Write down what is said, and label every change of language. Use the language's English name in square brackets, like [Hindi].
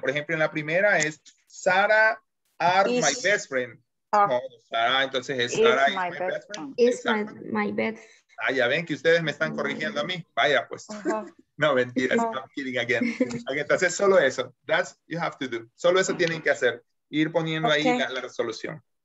[Spanish] Por ejemplo, en la primera es, Sarah [English] are my best friend. [Spanish] Entonces es Sarah [English] is my best friend. Is my best. [Spanish] Ah, ya ven que ustedes me están corrigiendo a mí. Vaya pues. No, mentira, [English] I'm kidding again. [Spanish] Entonces solo eso, [English] that's you have to do. [Spanish] Solo eso tienen que hacer, ir poniendo ahí la resolución.